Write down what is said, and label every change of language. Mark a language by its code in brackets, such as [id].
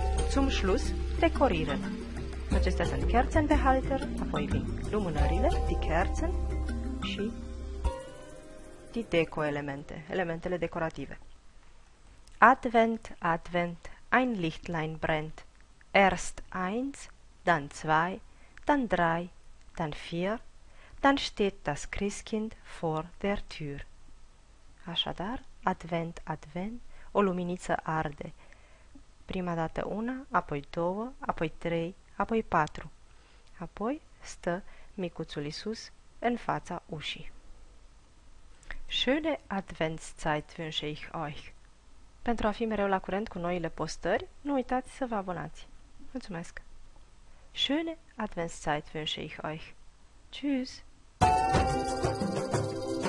[de] Zum Schluss dekorieren. [ro] Acestea sunt kerzen pe halter, apoi vin lumânările, die kerzen și die deco-elemente, elementele decorative. [de] Advent, Advent, ein Lichtlein brennt. Erst eins, dann zwei, dann drei, dann vier, dann steht das Christkind vor der Tür. [ro] Așadar, Advent, Advent, o luminiță arde. Prima dată una, apoi două, apoi trei, apoi patru. Apoi stă micuțul Iisus în fața ușii. [de] Schöne Adventszeit wünsche ich euch! [ro] Pentru a fi mereu la curent cu noile postări, nu uitați să vă abonați. Mulțumesc! [de] Schöne Adventszeit wünsche ich euch! Tschüss!